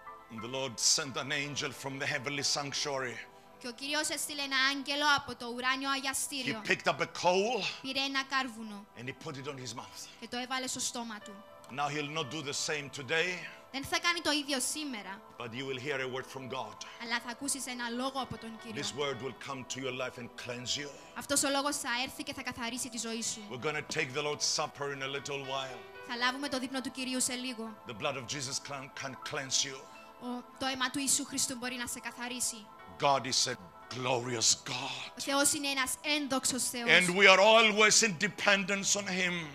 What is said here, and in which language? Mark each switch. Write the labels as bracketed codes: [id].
[en] And the Lord sent an angel from the heavenly sanctuary. [el] Και ο Κύριος έστειλε ένα άγγελο από το ουράνιο αγιαστήριο. [en] He picked up a coal. [el] Πήρε ένα κάρβουνο. [en] And he put it on his mouth. [el] Και το έβαλε στο στόμα του. [en] Now he'll not do the same today. [el] Δεν θα κάνει το ίδιο σήμερα. [en] But you will hear a word from God. [el] Αλλά θα ακούσεις ένα λόγο από τον Κύριο. [en] This word will come to your life and cleanse you. [el] Αυτός ο λόγος θα έρθει και θα καθαρίσει τη ζωή σου. [en] We're going to take the Lord's Supper in a little while. [el] Θα λάβουμε το δείπνο του Κυρίου σε λίγο. [en] The blood of Jesus can cleanse you. [el] Το αίμα του Ιησού Χριστού μπορεί να σε καθαρίσει. [en] God is a glorious God. [el] Ο Θεός είναι ένας ένδοξος Θεός. [en] And we are always in dependence on Him.